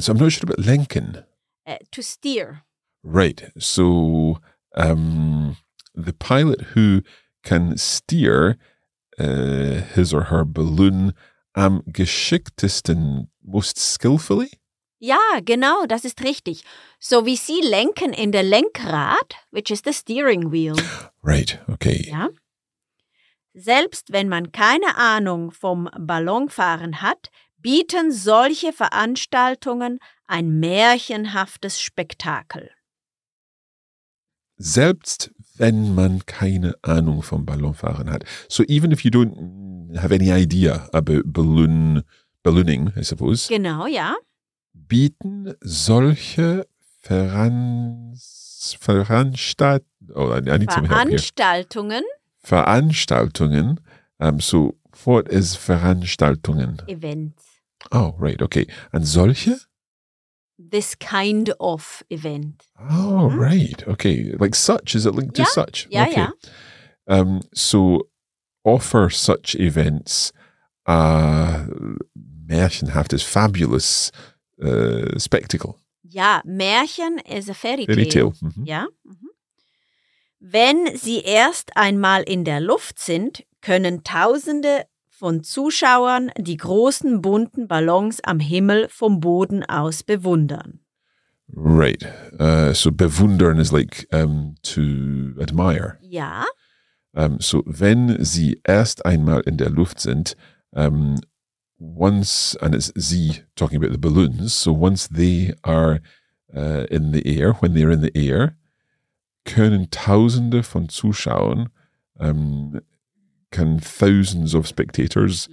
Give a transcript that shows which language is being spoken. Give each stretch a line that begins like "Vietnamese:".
English: So I'm not sure about lenken. To steer. Right, so the pilot who can steer his or her balloon
German: am geschicktesten,
English: most skillfully?
German: Ja, genau, das ist richtig.
English: So we see lenken in the Lenkrad, which is the steering wheel. Right, okay.
German: Ja. Selbst wenn man keine Ahnung vom Ballonfahren hat, bieten solche Veranstaltungen ein märchenhaftes Spektakel. Selbst wenn man keine Ahnung vom Ballonfahren hat.
English: So even if you don't have any idea about ballooning, I suppose.
German: Genau, ja. Bieten solche Veranstaltungen.
English: Veranstaltungen. So what is Veranstaltungen? Event. Oh, right, okay. And solche? This kind of event. Oh, right. Okay. Like such, is it linked to such? Yeah, okay. Yeah. So offer such events a märchenhaftes, fabulous spectacle. Yeah, Märchen is a fairy tale. Fairy tale. Mm-hmm. Yeah. Mm-hmm.
German: Wenn sie erst einmal in der Luft sind, können Tausende von Zuschauern die großen bunten Ballons am Himmel vom Boden aus bewundern.
English: Right. So bewundern is like to admire.
German: Ja.
English: So
German: wenn sie erst einmal in der Luft sind,
English: once, and it's sie talking about the balloons, so once they are in the air, when they're in the air,
German: können Tausende von Zuschauern
English: can thousands of spectators,